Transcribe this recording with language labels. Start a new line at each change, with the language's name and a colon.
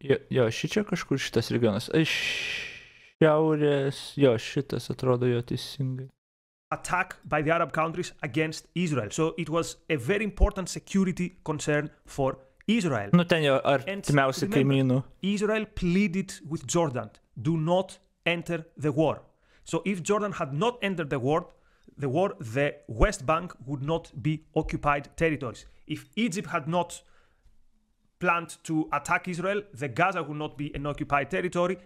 Lithuanian: Jo, šičia kažkur šitas regionas. Šiaurės. Jo, šitas atrodo jo teisingai.
English: attack by the Arab countries against Israel. So it was a very important security concern for Israel.
Lithuanian: Nu, ten jo artimiausi kaimynų.
English: Israel pleaded with Jordan, do not enter the war. So if Jordan had not entered the war, the West Bank would not be occupied territories. If Egypt had not planned to attack Israel, the Gaza would not be an occupied territory.